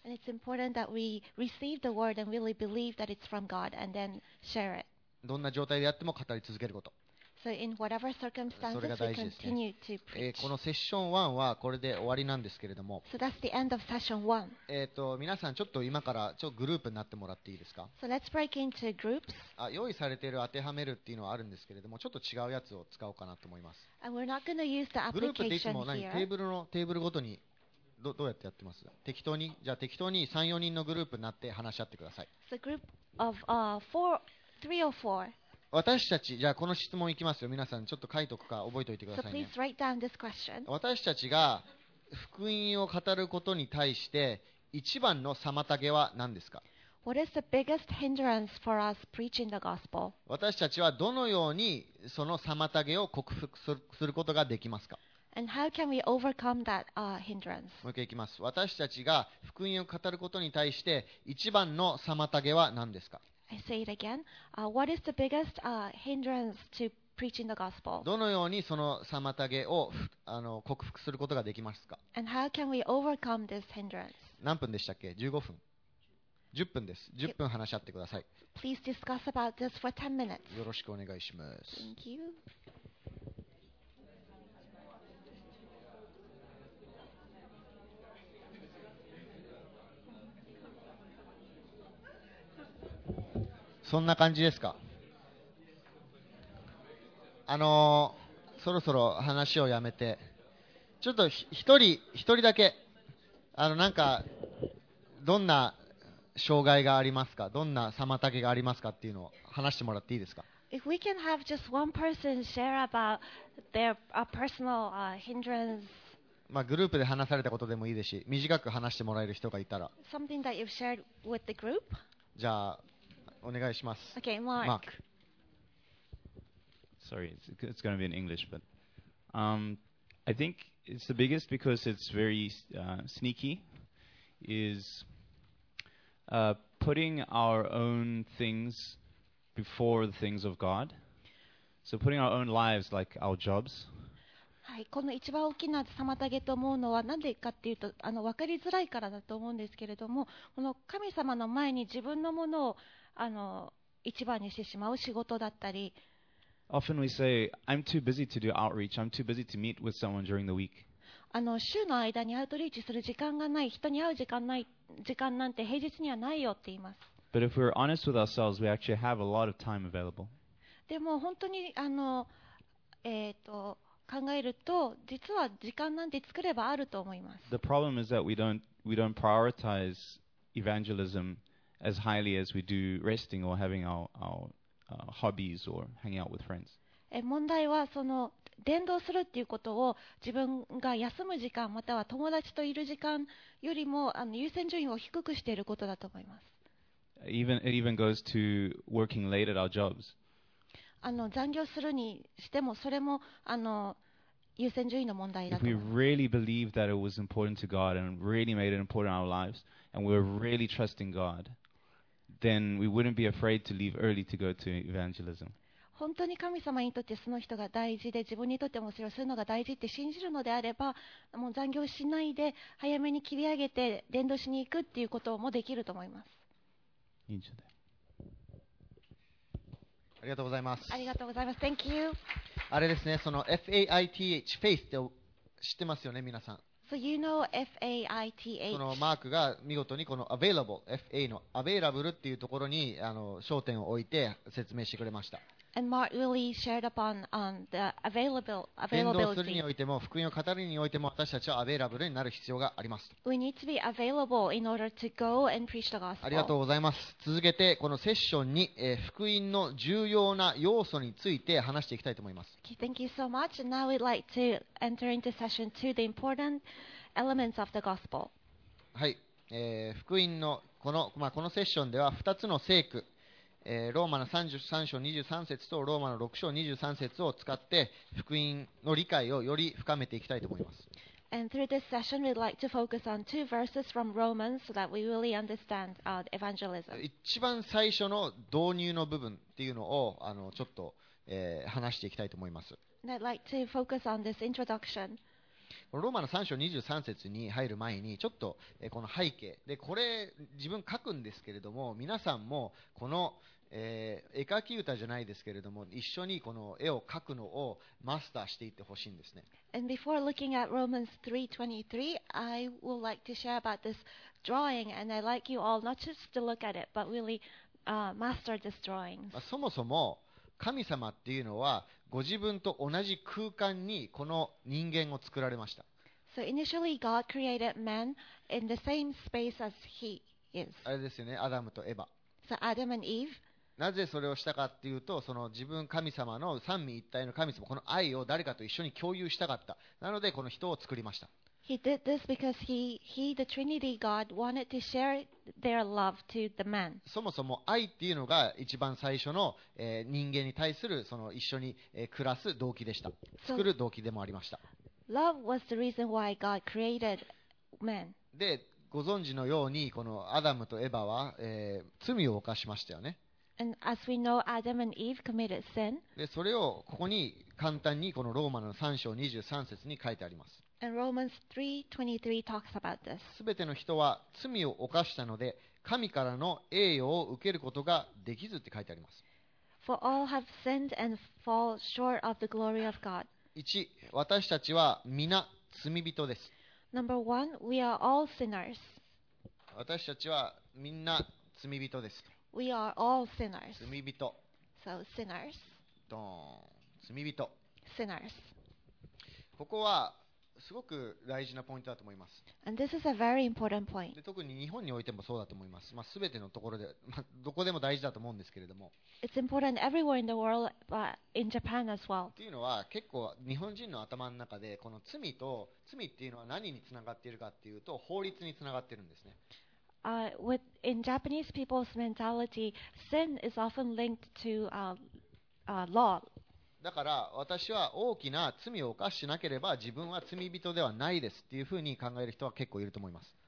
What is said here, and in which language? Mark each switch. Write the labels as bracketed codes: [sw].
[en] And it's important that we receive the word and really believe that it's from God and then share it. [ja] どんな状態であっても語り続けること。 [en] So in whatever circumstances, we continue to preach. [ja] このセッション1はこれで終わりなんですけれども。 [en] So that's the end of session one. [ja] 皆さんちょっと今からちょっとグループになってもらっていいですか。 [en] So let's break into groups. [ja] 用意されている当てはめるっていうのはあるんですけれども、ちょっと違うやつを使おうかなと思います。 [en] And we're not going to use the application here. [ja] グループっていつも何テーブルのテーブルごとにどうやってやってます？適当に、じゃあ適当に 3,4 人のグループになって話し合ってください。 [en] The group of three or four. [ja] 私たち、じゃあこの質問いきますよ。皆さんちょっと書いとくか覚えておいてくださいね。 [en] So please write down this question. [ja] 私たちが福音を語ることに対して一番の妨げは何ですか？ [en] What is the biggest hindrance for us preaching the gospel? [ja] 私たちはどのようにその妨げを克服することができますか？ [en] And how can we overcome that hindrance? [ja] もう一回いきます。私たちが福音を語ることに対して一番の妨げは何ですか？ [en] I say it again. What is the biggest hindrance to preaching the gospel? [ja] どのようにその妨げを克服することができますか？ [en] And how can we overcome this hindrance? [ja] 何分でしたっけ？15分。10分です。 10分話し合ってください。 [en] Please discuss about this for 10 minutes. [ja] よろしくお願いします。 [en] Thank you. [ja] そんな感じですか。そろそろ話をやめて、ちょっと一人だけ、なんかどんな障害がありますか、どんな妨げがありますかっていうのを話してもらっていいですか。 [en] If we can have just one person share about their personal hindrance. [ja] まあ、グループで話されたことでもいいですし、短く話してもらえる人がいたら。 [en] Something that you've shared with the group? [ja] じゃあ。お願いします。 [en] Okay, Mark. Mark. Sorry, it's going to be in English, but I think it's the biggest because it's very sneaky. Is putting our own things before the things of God. So putting our own lives, like our jobs. [ja] はい、この一番大きな妨げと思うのは何でかっていうと、分かりづらいからだと思うんですけれども、この神様の前に自分のものを一番にしてしまう仕事だったり、 [en] Often we say, I'm too busy to do outreach. I'm too busy to meet with someone during the week. [ja] 週の間にアウトリーチする時間がない、人に会う時間ない、時間なんて平日にはないよって言います。 [en] But if we're honest with ourselves, we actually have a lot of time available. [ja] でも本当に考えると、実は時間なんて作ればあると思います。 [en] The problem is that we don't prioritize evangelism. As highly as we do resting or having our hobbies or hanging out with friends. [ja] 問題はその伝道するっていうことを自分が休む時間または友達といる時間よりも優先順位を低くしていることだと思います。 [en] It even goes to working late at our jobs. [ja] 残業するにしてもそれも優先順位の問題だと思います。 [en] If we really believe that it was important to God and really made it important in our lives and we were really trusting God. Then we wouldn't be afraid to leave early to go to evangelism. [ja] 本当に神様にとってその人が大事で自分にとってもそれをするのが大事って信じるのであれば、もう残業しないで早めに切り上げて伝道しに行くっていうこともできると思います。いいんじゃない。ありがとうございます。ありがとうございます。 [en] Thank you. [ja] あれですね、その FAITH faith って知ってますよね、皆さん。 [en] So you know F-A-I-T-H. [ja] このマークが見事にこの Available FA の Available っていうところに焦点を置いて説明してくれました。 [en] And Mark really shared upon the availability. [ja] 伝道するにおいても福音を語るにおいても私たちは Available になる必要があります。 [en] We need to be available in order to go and preach the gospel. [ja] ありがとうございます。続けてこのセッションに福音の重要な要素について話していきたいと思います。 [en] Okay, thank you so much. Now we'd like to enter into session two, the important elements of the gospel. [ja] はい、福音のこのセッションでは2つの聖句。ローマの33章23節とローマの6章23節を使って福音の理解をより深めていきたいと思います。 [en] And through this session, we'd like to focus on two verses from Romans so that we really understand evangelism. [ja] 一番最初の導入の部分っていうのをちょっと、話していきたいと思います。 [en] And I'd like to focus on this introduction. [ja] ローマの3章23節に入る前にちょっとこの背景でこれ自分書くんですけれども、皆さんもこの絵描き歌じゃないですけれども一緒にこの絵を描くのをマスターしていってほしいんですね。 [en] And before looking at Romans 3:23 I would like to share about this drawing and I'd like you all not just to look at it but really master this drawing. [ja] そもそも神様っていうのはご自分と同じ空間にこの人間を作られました。 [en] So initially God created man in the same space as he is. [ja] あれですよね、アダムとエヴァ。 [en] So Adam and Eve. [ja] なぜそれをしたかっていうと、その自分神様の三位一体の神様、この愛を誰かと一緒に共有したかった。なのでこの人を作りました。 [en] He did this because he the Trinity God wanted to share their love to the man. [ja] そもそも愛っていうのが一番最初の、人間に対するその一緒に、暮らす動機でした。作る動機でもありました。 [en] So, love was the reason why God created man. [ja] で、ご存知のようにこのアダムとエヴァは、罪を犯しましたよね。 [en] And as we know, Adam and Eve committed sin. [ja] で、それをここに簡単にこのローマの3章23節に書いてあります。 [en] And Romans 3:23 talks about this. [ja] 全ての人は罪を犯したので、神からの栄誉を受けることができずって書いてあります。 [en] For all have sinned and fall short of the glory of God. [ja] 1. 私たちは皆罪人です。 [en] Number 1. We are all sinners. [ja] 私たちはみんな罪人です。 [en] We are all sinners. [ja] 罪人。 [en] So sinners. [ja] ドーン。罪人。 [en] Sinners. [ja] ここはすごく大事なポイントだと思います。 [en] And this is a very important point. [ja] で、特に日本においてもそうだと思います。まあ、全てのところで、まあ、どこでも大事だと思うんですけれども。 [en] It's important everywhere in the world, but in Japan as well. [ja] っていうのは結構日本人の頭の中でこの罪と罪っていうのは何につながっているかっていうと法律につながっているんですね。 [en] In Japanese people's mentality, sin is often linked to law. [ja] だから私は大きな罪を犯しなければ自分は罪人ではないですっていうふうに考える人は結構いると思います。